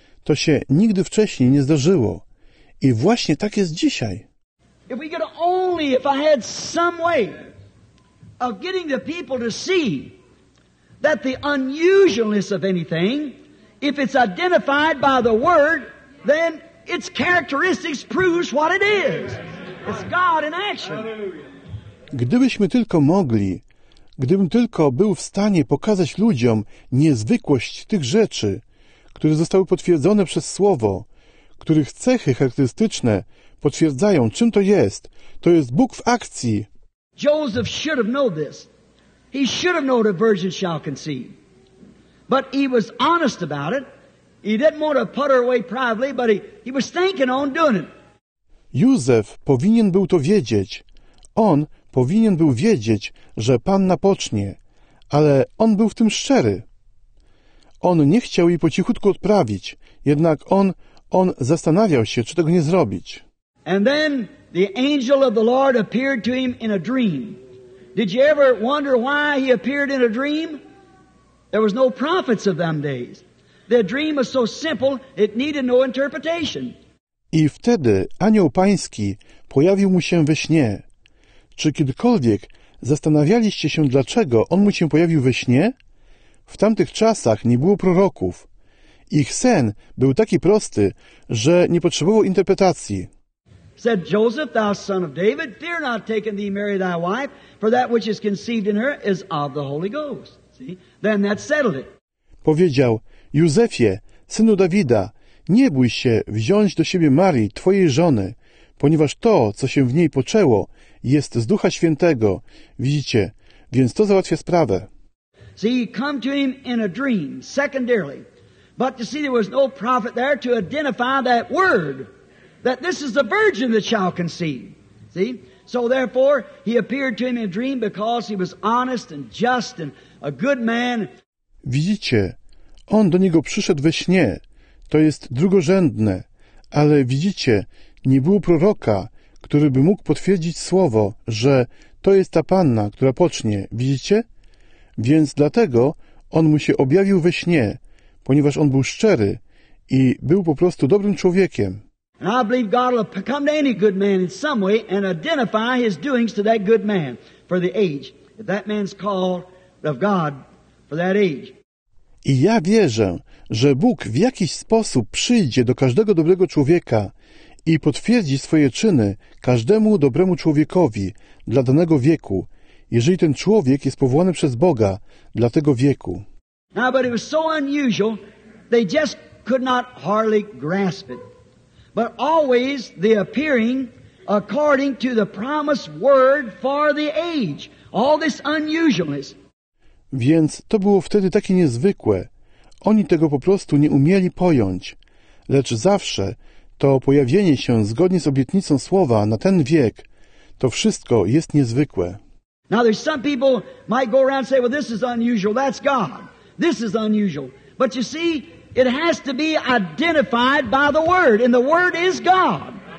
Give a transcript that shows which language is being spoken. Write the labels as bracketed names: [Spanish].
[Polish] To się nigdy wcześniej nie zdarzyło. I właśnie tak jest dzisiaj. [English] If we could only, if I had some way of getting the people to see that the unusualness of anything, if it's identified by the word, then its characteristics proves what it is. It's God in action. [Polish] Gdybyśmy tylko mogli, gdybym tylko był w stanie pokazać ludziom niezwykłość tych rzeczy, które zostały potwierdzone przez Słowo, których cechy charakterystyczne potwierdzają, czym to jest Bóg w akcji. [English] Joseph should have known this. He should have known a virgin shall conceive. But he was honest about it. He didn't want to put her away privately, but he was thinking on doing it. [Polish] Józef powinien był to wiedzieć. On powinien był wiedzieć, że panna pocznie, ale on był w tym szczery. On nie chciał jej po cichutku odprawić, jednak on zastanawiał się, czy tego nie zrobić. [English] And then the angel of the Lord appeared to him in a dream. Did you ever wonder why he appeared in a dream? There was no prophets of them days. Their dream was so simple, it needed no interpretation. [Polish] I wtedy anioł pański pojawił mu się we śnie. Czy kiedykolwiek zastanawialiście się, dlaczego on mu się pojawił we śnie? W tamtych czasach nie było proroków. Ich sen był taki prosty, że nie potrzebował interpretacji. [English] Said Joseph, thou son of David, fear not taking thee Mary thy wife, for that which is conceived in her is of the Holy Ghost. See? Then that settled it. [Polish] Powiedział, Józefie, synu Dawida, nie bój się wziąć do siebie Marii, twojej żony, ponieważ to, co się w niej poczęło, jest z Ducha Świętego. Widzicie, więc to załatwia sprawę. [English] See, come to him in a dream, secondarily. But you see, there was no prophet there to identify that word, that this is the virgin that shall conceive. See? So therefore, he appeared to him in a dream because he was honest and just and a good man. [Polish] Widzicie, on do niego przyszedł we śnie. To jest drugorzędne. Ale widzicie, nie było proroka, który by mógł potwierdzić słowo, że to jest ta panna, która pocznie. Widzicie? Więc dlatego on mu się objawił we śnie, ponieważ on był szczery i był po prostu dobrym człowiekiem. [English] And I believe God will come to any good man in some way and identify his doings to that good man for the age. If that man's called of God for that age. [Polish] I ja wierzę, że Bóg w jakiś sposób przyjdzie do każdego dobrego człowieka i potwierdzi swoje czyny każdemu dobremu człowiekowi dla danego wieku, jeżeli ten człowiek jest powołany przez Boga dla tego wieku. [English] Now, but it was so unusual, they just could not hardly grasp it. But always the appearing according to the promised word for the age. All this unusualness. [Polish] Więc to było wtedy takie niezwykłe. Oni tego po prostu nie umieli pojąć. Lecz zawsze to pojawienie się zgodnie z obietnicą słowa na ten wiek, to wszystko jest niezwykłe. [English] Now there's some people might go around and say, well, this is unusual, that's God. This is unusual. But you see, it has to be identified by the word, and the word is God.